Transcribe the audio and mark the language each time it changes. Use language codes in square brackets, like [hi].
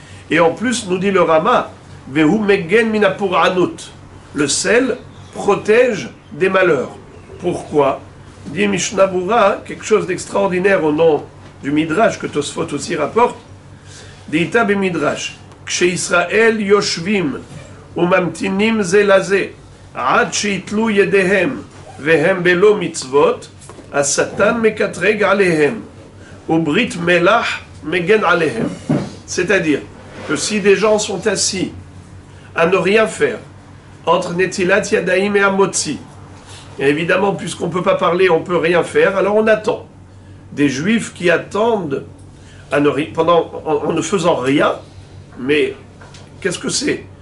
[fr] Et en plus, nous dit le Rama, [he] vehu megen minapuranut. [fr] Le sel protège des malheurs. Pourquoi? Dit Mishnah Bura, quelque chose d'extraordinaire au nom du Midrash que Tosfot aussi rapporte. [he] Deita be Midrash, kshe Israël yoshvim. וממתינים זה לזה, עד שיתלו ידיהם, והם בלא מצוות, השטן מקטרג עליהם, וברית מלח מגן עליהם. [fr] C'est-à-dire que si des gens sont assis à ne rien faire entre Netilat Yadayim et Amotzi, et évidemment, puisqu'on ne peut pas parler, on ne peut rien faire, alors on attend. Des juifs qui attendent à ne pendant, en ne faisant rien, mais qu'est-ce que c'est?